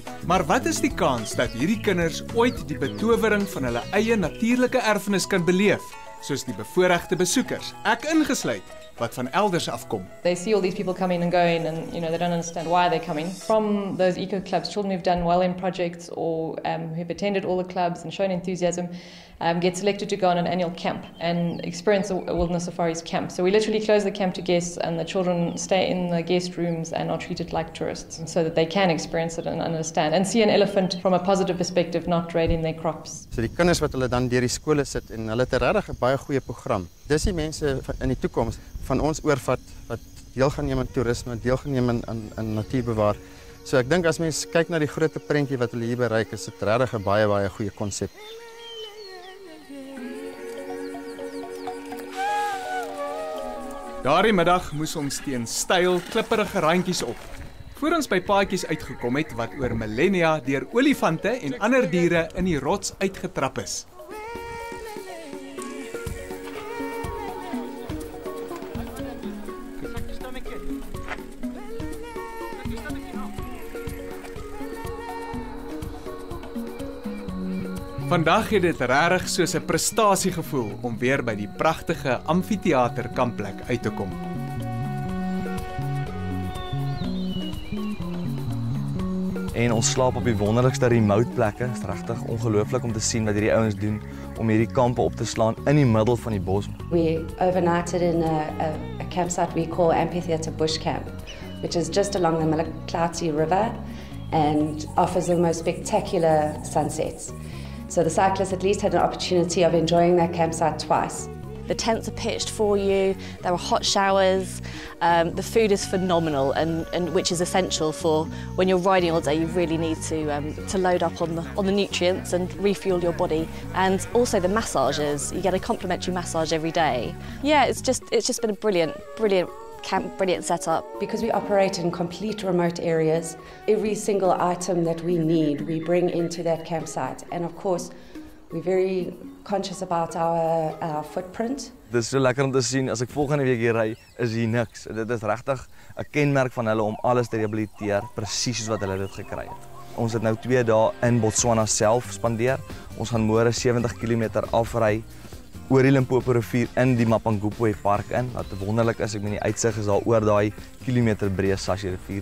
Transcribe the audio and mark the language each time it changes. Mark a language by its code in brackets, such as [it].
[af] Maar wat is die kans dat hierdie kinders ooit die betowering van hulle eie natuurlike erfenis kan beleef, soos die bevoorregte besoekers, ek ingesluit, wat van elders afkom. [en] They see all these people coming and going and you know they don't understand why they're coming. From those eco clubs, children who've done well in projects or who've attended all the clubs and shown enthusiasm get selected to go on an annual camp and experience a wilderness safaris camp. So we literally close the camp to guests and the children stay in the guest rooms and are treated like tourists so that they can experience it and understand and see an elephant from a positive perspective, not raiding their crops. [af] So die kinders wat hulle dan deur die skole sit en hulle het regtig 'n baie goeie program. Dis die mense in die toekoms van ons oorvat wat deel gaan neem aan toerisme, deel gaan neem aan natuurbewaar. So ek dink as mense kyk na die groter prentjie wat hulle hier bereik, is dit regtig 'n baie baie goeie konsep. Daardie middag moes ons teen steil, klipperige randjies op. Voor ons by paadjies uitgekom het wat oor millennia deur olifante en ander diere in die rots uitgetrap is. Vandag het dit regtig soos 'n prestasie gevoel om weer by die pragtige amfitheater kampplek uit te kom. En ons slaap op die wonderlikste remote plekke. Dit is regtig ongelooflik om te sien wat hierdie ouens doen om hierdie kampe op te slaan in die middel van die bos. [en] We overnighted in a campsite we call Amphitheater Bush Camp, which is just along the Mlaklatsi River and offers the most spectacular sunsets. So the cyclists at least had an opportunity of enjoying their campsite twice. The tents are pitched for you, there are hot showers, the food is phenomenal and which is essential for when you're riding all day, you really need to load up on the nutrients and refuel your body. And also the massages, you get a complimentary massage every day. Yeah, it's just been a brilliant, brilliant camp, brilliant setup. Because we operate in complete remote areas, every single item that we need, we bring into that campsite. And of course, we're very conscious about our footprint. [af] Dit is so lekker om te sien, as ek volgende week hier ry, is hier niks. Dit is regtig 'n kenmerk van hulle om alles te rehabiliteer, presies soos wat hulle dit gekry het. Ons het nou 2 dae in Botswana self spandeer. Ons gaan môre 70 km afry oor die Limpopo rivier in die Mapungubwe park in. Wat wonderlik is, ek meen die uitsig is daar oor daai kilometer breë Sashi rivier.